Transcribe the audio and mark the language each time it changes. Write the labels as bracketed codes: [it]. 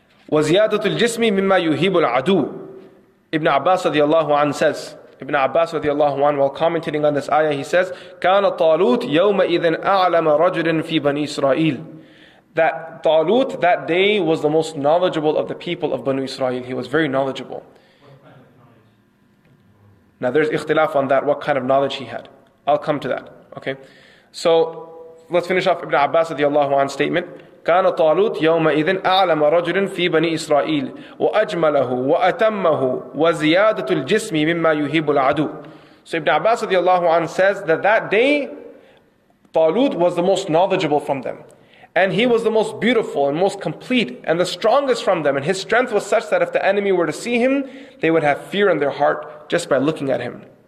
[ar] وَزِيَادَةُ الْجِسْمِ مِمَّا يُهِيبُ الْعَدُوُ [en] Ibn Abbas radiallahu anhu says, Ibn Abbas radiallahu anhu, while commenting on this ayah, he says, [ar] كَانَ طَالُوتُ يَوْمَئِذٍ أَعْلَمَ رَجُلٍ فِي بَنِي إِسْرَائِيلِ [en] That Talut that day was the most knowledgeable of the people of Banu Israel. He was very knowledgeable. Now there's ikhtilaf on that, what kind of knowledge he had. I'll come to that. Okay. So let's finish off Ibn Abbas radiallahu anhu's statement. [ar] كان طالوت يومئذ أعلم رجل في بني إسرائيل وأجمله وأتمه وزيادة الجسم مما يهيب العدو. [en] So Ibn Abbas radiallahu anhu says that that day, طالوت was the most knowledgeable from them. And he was the most beautiful and most complete and the strongest from them. And his strength was such that if the enemy were to see him, they would have fear in their heart just by looking at him.